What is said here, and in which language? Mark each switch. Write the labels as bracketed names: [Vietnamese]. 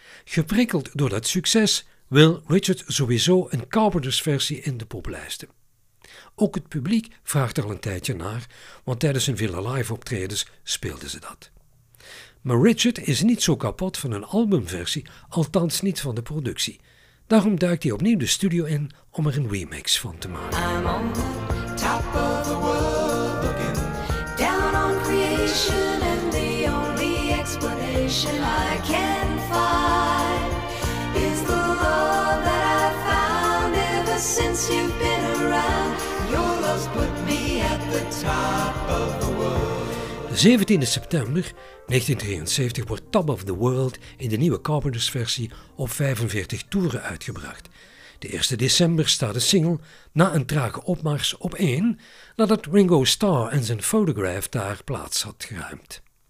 [Dutch] Geprikkeld door dat succes wil Richard sowieso een Carpenters-versie in de poplijsten. Ook het publiek vraagt er al een tijdje naar, want tijdens hun vele live-optredens speelden ze dat. Maar Richard is niet zo kapot van een albumversie, althans niet van de productie. Daarom duikt hij opnieuw de studio in om er een remix van te maken. [English] I'm on the top of the world looking down on creation and the only explanation I can find is the love that I found ever since you've been around. Your love's put me at the top of the world. [Dutch] 17 september 1973 wordt Top of the World in de nieuwe Carpenters versie op 45 toeren uitgebracht. De 1 december staat de single na een trage opmars op 1 nadat Ringo Starr en zijn Photograph daar plaats had geruimd.